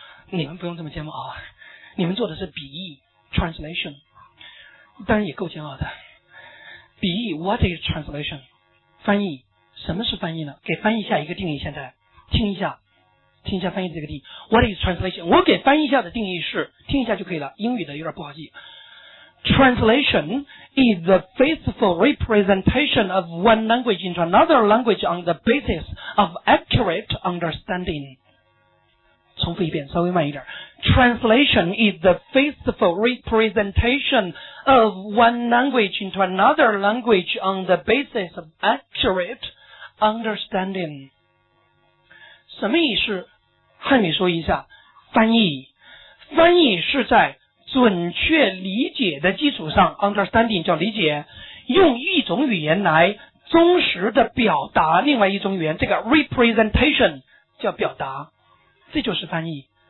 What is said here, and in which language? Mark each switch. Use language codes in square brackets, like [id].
[zh] 你们不用这么煎熬，你们做的是笔译 translation， 当然也够煎熬的。笔译 [en] what is translation， [zh] 翻译什么是翻译呢，给翻译下一个定义，现在听一下，听一下翻译这个定义 what is translation， 我给翻译下的定义是，听一下就可以了，英语的有点不好记。 [en] Translation is the faithful representation of one language into another language on the basis of accurate understanding. [zh] 重复一遍，稍微慢一点。 [en] Translation is the faithful representation of one language into another language on the basis of accurate understanding. [zh] 什么意思？汉语说一下，翻译。翻译是在准确理解的基础上 ，understanding 叫理解，用一种语言来忠实的表达另外一种语言，这个 representation 叫表达，这就是翻译。